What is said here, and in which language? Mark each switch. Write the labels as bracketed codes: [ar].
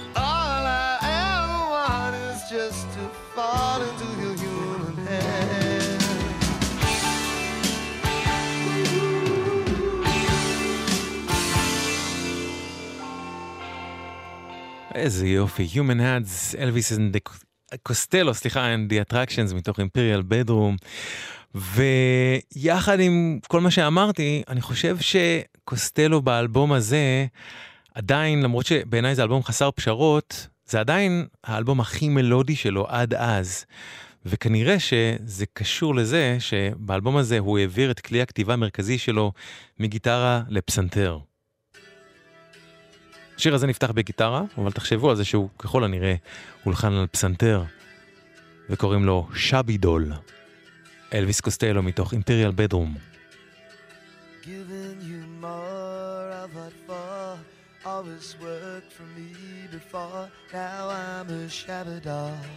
[en] All I ever want is just to fall into your human hands. [he] איזה יופי, human hands, Elvis and the Costello, סליחה, and the attractions מתוך Imperial Bedroom. ויחד עם כל מה שאמרתי, אני חושב שקוסטלו באלבום הזה עדיין, למרות שבעיניי זה אלבום חסר פשרות, זה עדיין האלבום הכי מלודי שלו עד אז. וכנראה שזה קשור לזה שבאלבום הזה הוא העביר את כלי הכתיבה המרכזי שלו מגיטרה לפסנתר. השיר הזה נפתח בגיטרה, אבל תחשבו על זה שהוא ככל הנראה הולחן על פסנתר וקוראים לו שבידול. Elvis Costello מתוך Imperial Bedroom. [en] Giving you more of what for, always worked for me before, now I'm a shabby doll.